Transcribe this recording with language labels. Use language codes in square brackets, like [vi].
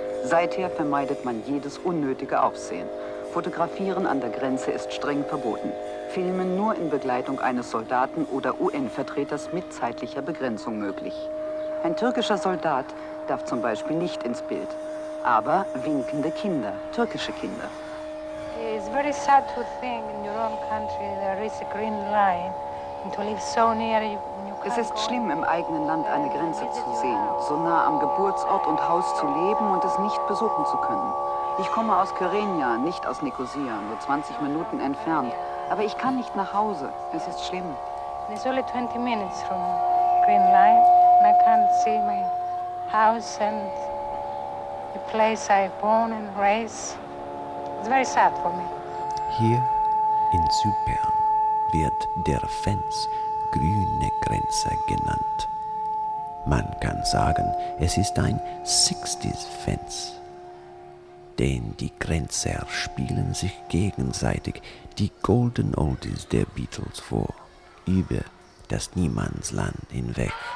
[de] Seither vermeidet man jedes unnötige Aufsehen. Fotografieren an der Grenze ist streng verboten. Filmen nur in Begleitung eines Soldaten oder UN-Vertreters mit zeitlicher Begrenzung möglich. Ein türkischer Soldat darf zum Beispiel nicht ins Bild, aber winkende Kinder, türkische Kinder. [en] It's very sad to think in your own country there is a green line and to live so near you. [de] Es ist schlimm, im eigenen Land eine Grenze zu sehen, so nah am Geburtsort und Haus zu leben und es nicht besuchen zu können. Ich komme aus Kyrenia, nicht aus Nikosia, nur 20 Minuten entfernt. Aber ich kann nicht nach Hause. Es ist schlimm. [en] It's only 20 minutes from Green Line. I can't see my house and the place I born and raised. It's very sad for me. [de] Hier in Zypern wird der Fans grüne Grenze genannt. Man kann sagen, es ist ein 60s Fence. Denn die Grenzer spielen sich gegenseitig die Golden Oldies der Beatles vor, über das Niemandsland hinweg.